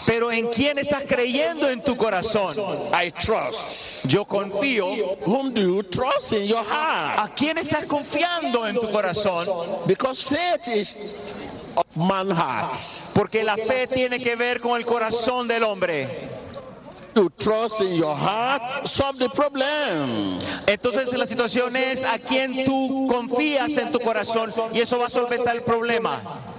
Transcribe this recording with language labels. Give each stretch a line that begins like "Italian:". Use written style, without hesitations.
Spanish: Pero ¿en quién estás creyendo en tu corazón?
English: I trust.
Spanish: Yo confío.
English: Whom do you trust in your heart?
Spanish: ¿A quién estás confiando en tu corazón?
English: Because faith is of man heart.
Spanish: Porque la fe tiene que ver con el corazón del hombre.
English: To trust in your heart, solve the problem.
Spanish: Entonces la situación es a quien tú confías en tu corazón y eso va a solventar el problema.